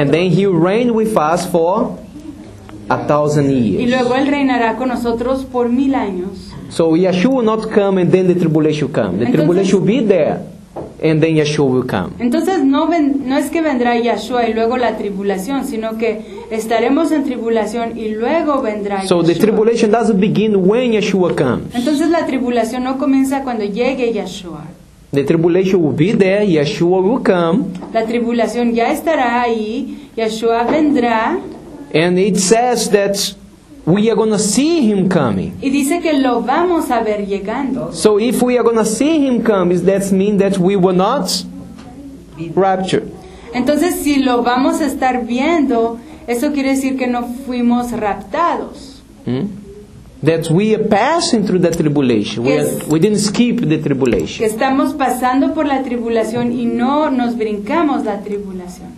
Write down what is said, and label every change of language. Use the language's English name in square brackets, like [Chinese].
[English] And then he will reign with us for 1,000 years. [Spanish] Y luego él reinará con nosotros por 1,000 años. [English] So Yeshua will not come and then the tribulation will come. Tribulation will be there and then Yeshua will come. [Spanish] Entonces no es que vendrá Yeshua y luego la tribulación, sino que estaremos en tribulación y luego vendrá Yeshua. [English] So the tribulation doesn't begin when Yeshua comes. [Spanish] Entonces la tribulación no comienza cuando llegue Yeshua. [English] The tribulation will be there, Yeshua will come. [Spanish] La tribulación ya estará ahí, Yeshua vendrá. [English] And it says that we are going to see him coming. [Spanish] Y dice que lo vamos a ver llegando. [English] So if we are going to see him come, does that mean that we will not rapture? [Spanish] Entonces si lo vamos a estar viendo, eso quiere decir que no fuimos raptados. [English] That we are passing through the tribulation. We didn't skip the tribulation. [Spanish] Que estamos pasando por la tribulación y no nos brincamos la tribulación.